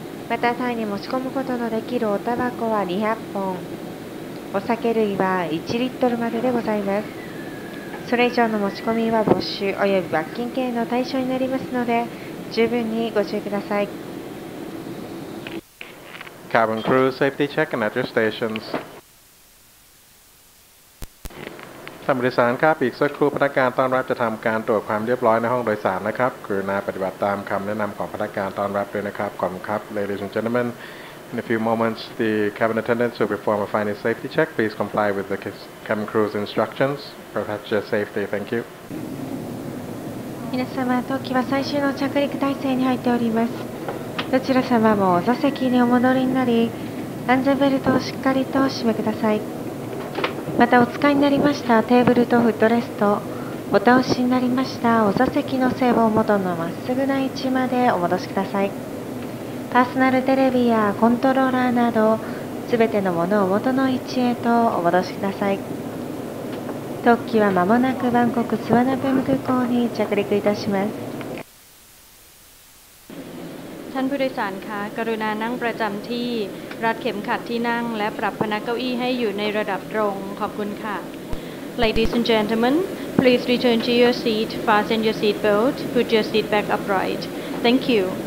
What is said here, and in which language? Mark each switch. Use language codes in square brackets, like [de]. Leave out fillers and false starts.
[ja] またタイに持ち込むことのできるおタバコは200本、お酒類は1リットルまででございます。それ以上の持ち込みは没収および罰金刑の対象になりますので十分にご注意ください。 [en] Cabin crew safety check and at your stations [th] ท่านผู้โดยสารครับอีกสักครู่พนักงานต้อนรับจะทำการตรวจความเรียบร้อยในห้องโดยสารนะครับกรุณาปฏิบัติตามคำแนะนำของพนักงานต้อนรับด้วยนะครับขอบคุณครับ [en] Ladies and gentlemen, in a few moments the cabin attendants will perform a final safety check. Please comply with the cabin crew's instructions for passenger safety. Thank you. [ja] 皆様、当機は最終の着陸態勢に入っております。どちら様も座席にお戻りになり安全ベルトをしっかりと締めください。またお使いになりましたテーブルとフットレスト、お倒しになりましたお座席の背を元のまっすぐな位置までお戻しください。パーソナルテレビやコントローラーなどすべてのものを元の位置へとお戻しください。特急は間もなくバンコクスワナプーム空港に着陸いたします。 [th] ท่านผู้โดยสารคะกรุณานั่งประจำที่รัดเข็มขัดที่นั่งและปรับพนักเก้าอี้ให้อยู่ในระดับตรงขอบคุณค่ะ [en] Ladies and gentlemen, please return to your seat, fasten your seat belt, put your seat back upright. Thank you.